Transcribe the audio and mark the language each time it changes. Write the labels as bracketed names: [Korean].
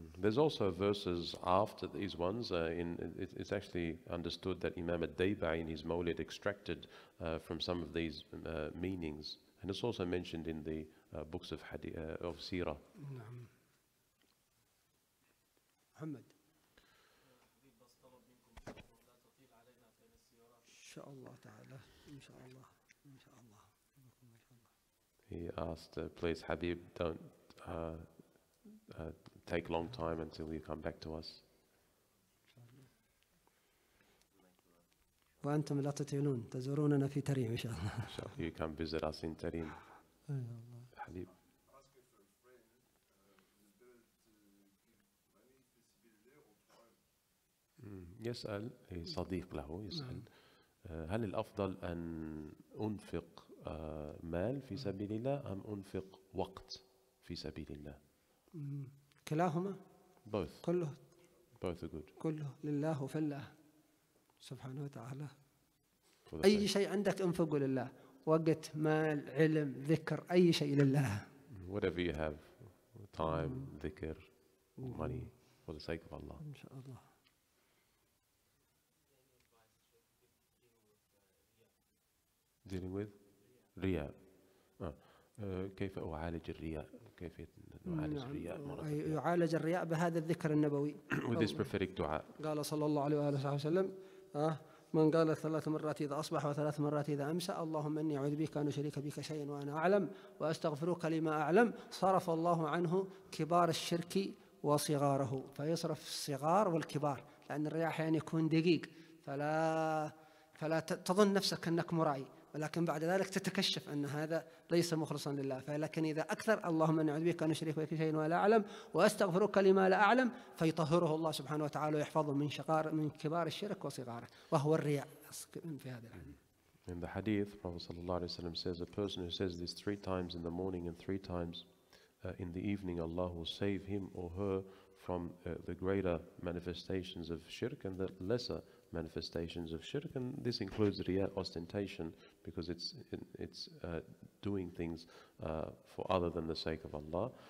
[English] There's also verses after these ones in it's actually understood that Imam al-Daybai in his Mawlid extracted from some of these meanings and it's also mentioned in the books of hadith of Sira. [Arabic] نعم. محمد. إن شاء الله تعالى إن شاء الله إن شاء الله. [English] He asked, please, Habib, don't take long time until you come back to us. [Arabic] وأنتم لا تطيلون تزوروننا في تريم إن شاء الله. [English] Shall you come visit us in Tarim, Habib? [Arabic] يسأل صديق له يسأل. هل الأفضل أن أنفق مال في سبيل الله أم أنفق وقت في سبيل الله؟ كلاهما. [English] Both. [Arabic] كله. [English] Both are good. [Arabic] كله لله وفلله سبحانه وتعالى. أي شيء عندك أنفقه لله. وقت مال علم ذكر أي شيء لله. [English] Whatever you have, time, ذكر, money, for the sake of Allah. [Arabic] إن شاء الله. [English] Dealing with رياء. [Arabic] كيف أعالج الرياء؟ كيف أعالج الرياء؟ يعالج الرياء بهذا الذكر النبوي. [English] With this prophetic دعاء. [Arabic] قال صلى الله عليه وآله وسلم: من قال ثلاث مرات إذا أصبح وثلاث مرات إذا أمسى اللهم إني أعوذ بك أن أشرك بك شيئا وأنا أعلم وأستغفرك لما أعلم صرف الله عنه كبار الشرك وصغاره فيصرف الصغار والكبار لأن الرياء يعني يكون دقيق فلا تظن نفسك أنك مرعي ولكن بعد ذلك تتكشف أن هذا ليس مخلصا لله فلكن إذا أكثر اللهم أن أعوذ بك أن أشرك بك شيئا ولا أعلم وأستغفرك لما لا أعلم فيطهره الله سبحانه وتعالى ويحفظه من شقار من كبار الشرك وصغاره وهو الرياء في هذا الحديث. [English] In the hadith, Prophet [Arabic] صلى الله عليه وسلم [English] says, a person who says this three times in the morning and three times in the evening, Allah will save him or her from the greater manifestations of shirk and the lesser manifestations of shirk, and this includes riya, ostentation, because it's doing things for other than the sake of Allah.